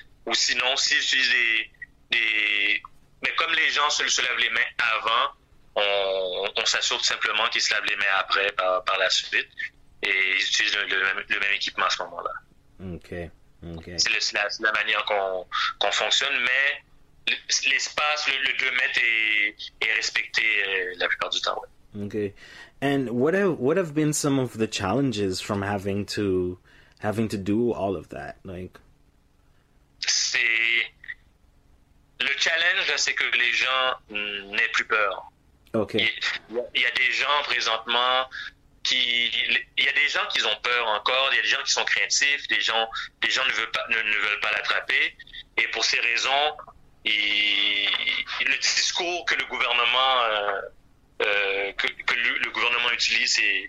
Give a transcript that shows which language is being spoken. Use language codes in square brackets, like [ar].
[fr] Ou sinon, s'ils utilisent mais comme les gens se lavent les mains avant, on s'assure simplement qu'ils se lavent les mains après, par la suite, et ils utilisent le même équipement à ce moment-là. Okay. C'est la manière qu'on fonctionne, mais L'espace, le 2 mètres est respecté la plupart du temps, ouais. Okay. [en] And what have been some of the challenges from having to do all of that? Like, [fr] c'est le challenge, c'est que les gens n'aient plus peur. Okay. Il y a des gens présentement qui, il y a des gens qui ont peur encore, il y a des gens qui sont craintifs, des gens ne veulent pas l'attraper, et pour ces raisons, le discours que le gouvernement le gouvernement utilise,